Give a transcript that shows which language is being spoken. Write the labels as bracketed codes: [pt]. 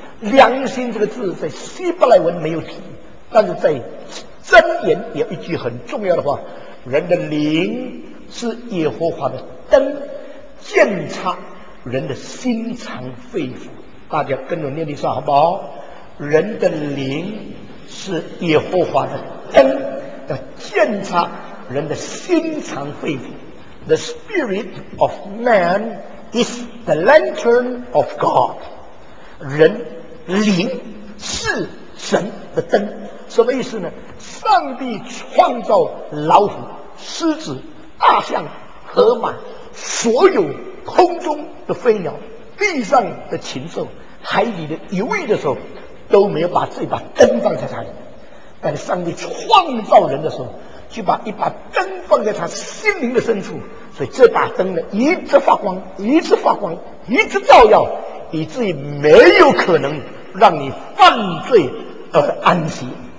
[zh] 良心这个字在希伯来文没有提，但是在箴言有一句很重要的话，人的灵是耶和华的灯，鉴察人的心肠肺腑。大家跟着念一下好不好？人的灵是耶和华的灯，要鉴察人的心肠肺腑。 [en] The spirit of man is the lantern of God， [zh] 人灵是神的灯。什么意思呢？上帝创造老虎、狮子、大象、河马，所有空中的飞鸟、地上的禽兽、海里的鱼类的时候，都没有把这把灯放在他里面。但是上帝创造人的时候，就把一把灯放在他心灵的深处，所以这把灯呢，一直发光，一直发光，一直照耀，以至于没有可能让你犯罪而安息。